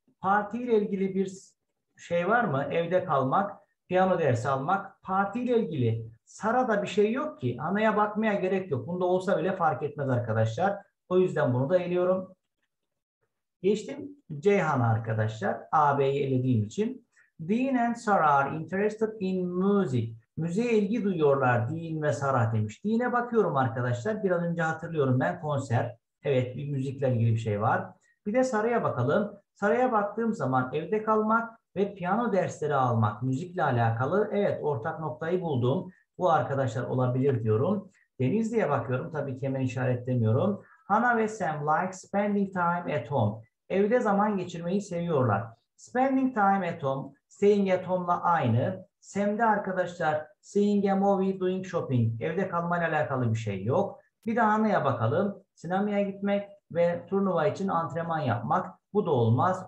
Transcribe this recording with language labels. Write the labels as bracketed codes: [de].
[tr] Parti ile ilgili bir şey var mı? Evde kalmak, piyano dersi almak. Parti ile ilgili Sarah'da bir şey yok ki. Anaya bakmaya gerek yok. Bunda olsa bile fark etmez arkadaşlar. O yüzden bunu da eliyorum. Geçtim Ceyhan arkadaşlar. AB'yi elediğim için. [en] Dean and Sarah are interested in music. [tr] Müziğe ilgi duyuyorlar Dean ve Sarah demiş. Dean'e bakıyorum arkadaşlar. Biraz önce hatırlıyorum ben konser. Evet, bir müzikle ilgili bir şey var. Bir de Sarah'a bakalım. Sarah'a baktığım zaman evde kalmak ve piyano dersleri almak müzikle alakalı. Evet, ortak noktayı buldum. Bu arkadaşlar olabilir diyorum. Denizli'ye bakıyorum. Tabii ki hemen işaretlemiyorum. [en] Hannah [tr] ve [en] Sam like spending time at home. [tr] Evde zaman geçirmeyi seviyorlar. [en] Spending time at home, [tr] staying at home'la aynı. Sam'de arkadaşlar [en] seeing a movie, doing shopping. [tr] Evde kalmayla alakalı bir şey yok. Bir daha Hannah'a bakalım. Sinemaya gitmek ve turnuva için antrenman yapmak. Bu da olmaz.